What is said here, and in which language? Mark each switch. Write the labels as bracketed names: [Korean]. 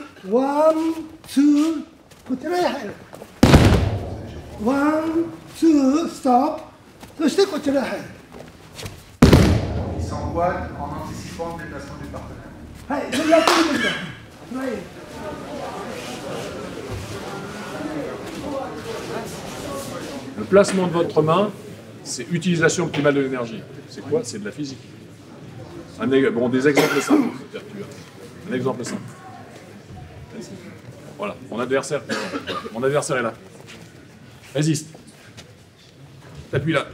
[English] One, two, [Japanese] こちらへ入る。 [English] One, two, stop. [Japanese] そしてこちらへ入る。 [French] Il s'envoie en anticipant le déplacement du partenaire. [Japanese] はい、それやってみてください。 [French] Le placement de votre main, c'est utilisation optimale de l'énergie. C'est quoi? C'est de la physique. Des exemples simples. Un exemple simple. Voilà, mon adversaire est là. Résiste. T'appuies là.